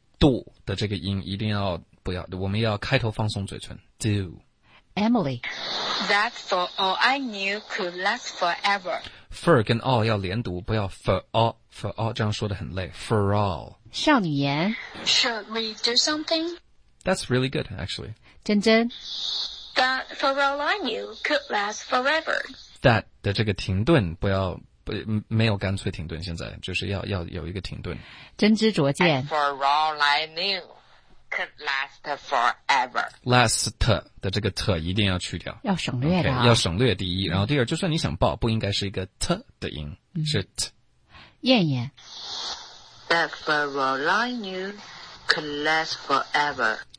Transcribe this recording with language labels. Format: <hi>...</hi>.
<zh>Do 的这个音一定要不要，我们要开头放松嘴唇 ，do。</zh> <en>Emily。 That for all I knew could last forever.</en> <zh>For 跟 all 要连读，不要 for all 这样说的很累。For all。少女言。</zh> <en>Should we do something? That's really good, actually.</en> <zh>真真。</zh> <en>That for all I knew could last forever.</en> <zh>That 的这个停顿不要没有干脆停顿，现在就是要有一个停顿。真知灼见。</zh> <en>That for all I knew could last forever.</en> <zh>Last 的这个 t 一定要去掉，要省略的、啊。 Okay, 要省略第一，然后第二，就算你想报，不应该是一个 t 的音，是 t。燕燕。</zh> <en>That for all I knew could last forever.</en>